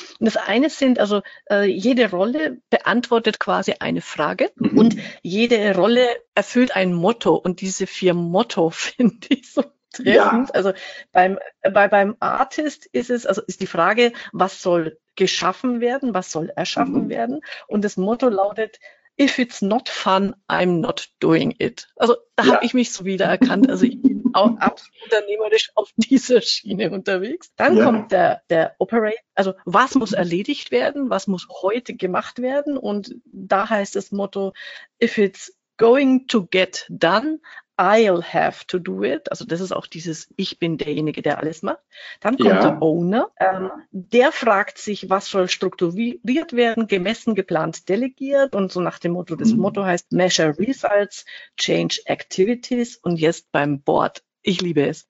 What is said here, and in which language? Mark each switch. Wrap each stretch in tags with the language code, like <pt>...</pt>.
<de>Und das eine sind, also jede Rolle beantwortet quasi eine Frage und jede Rolle erfüllt ein Motto. Und diese 4 Motto finde ich so treffend. Ja. Also beim Artist ist es, also ist die Frage, was soll geschaffen werden, was soll erschaffen werden? Und das Motto lautet,</de> <en>if it's not fun, I'm not doing it.</en> <de>Also da habe ich mich so wieder erkannt. Also ich bin auch absolut unternehmerisch auf dieser Schiene unterwegs. Dann kommt der Operator, also was muss erledigt werden, was muss heute gemacht werden? Und da heißt das Motto,</de> <en>if it's going to get done, I'll have to do it.</en> <de>Also das ist auch dieses, ich bin derjenige, der alles macht. Dann kommt der Owner, der fragt sich, was soll strukturiert werden, gemessen, geplant, delegiert und so nach dem Motto. Das Motto heißt,</de> <en>measure results, change activities</en> <de>und jetzt beim Board. Ich liebe es.</de>